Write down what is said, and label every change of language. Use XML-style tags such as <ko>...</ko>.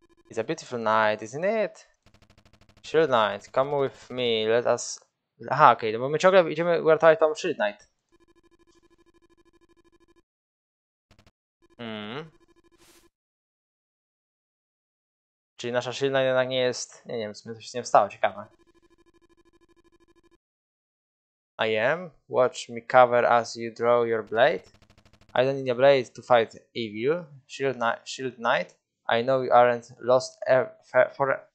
<en>It's a beautiful night, isn't it? Shield Knight, come with me, let us...</en> <pl>Aha, okej, okay, no bo my ciągle idziemy uratować tą Shield Knight. Czyli nasza silna jednak nie jest... Nie wiem, co się z nim stało, ciekawe.</pl> <en>I am? Watch me cover as you draw your blade? I don't need a blade to fight evil. Shield knight? I know you aren't lost for...</en>